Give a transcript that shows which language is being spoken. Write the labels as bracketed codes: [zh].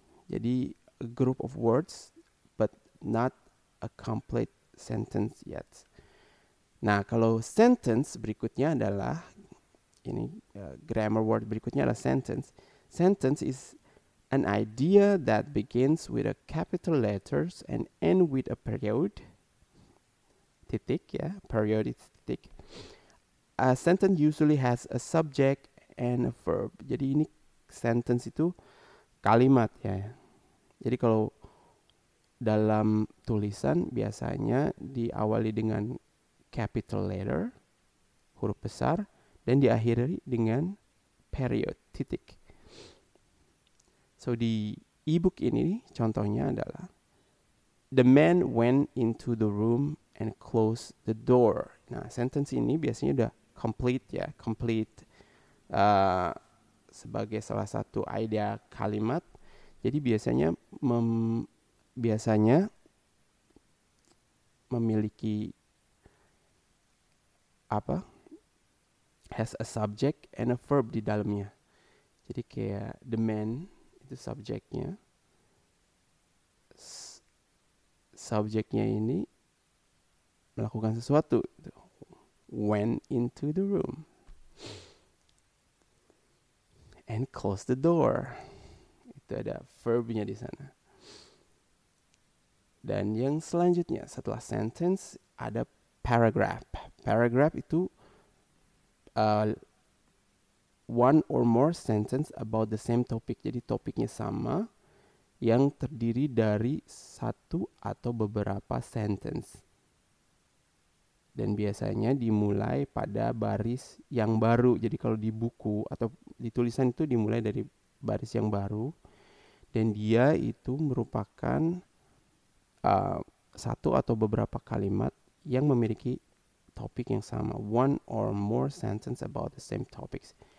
[id] Jadi [en] a group of words but not a complete sentence yet. [id] Nah, kalau sentence berikutnya adalah ini [en] grammar word [id] berikutnya adalah sentence. [en] Sentence is an idea that begins with a capital letters and end with a period. [id] Titik, ya. [en] Period is titik. A sentence usually has a subject and a verb. [id] Jadi ini [en] sentence [id] itu kalimat, ya. Jadi kalau dalam tulisan biasanya diawali dengan capital letter, huruf besar, dan diakhiri dengan period, titik. So di e-book ini contohnya adalah [en] the man went into the room and closed the door. [id] Nah, sentence ini biasanya udah [en] complete, [id] ya. Complete sebagai salah satu idea kalimat. Jadi biasanya biasanya memiliki apa? [en] Has a subject and a verb [id] di dalamnya. Jadi kayak [en] the man itu subjeknya. [id] Subjeknya ini melakukan sesuatu. [en] Went into the room and closed the door. [id] Ada verbnya di sana. Dan yang selanjutnya setelah sentence ada paragraph. Paragraph itu [en] one or more sentence about the same topic. [id] Jadi topiknya sama yang terdiri dari satu atau beberapa sentence. Dan biasanya dimulai pada baris yang baru. Jadi kalau di buku atau di tulisan itu dimulai dari baris yang baru. Dan dia itu merupakan satu atau beberapa kalimat yang memiliki topik yang sama. [en] One or more sentence about the same topics.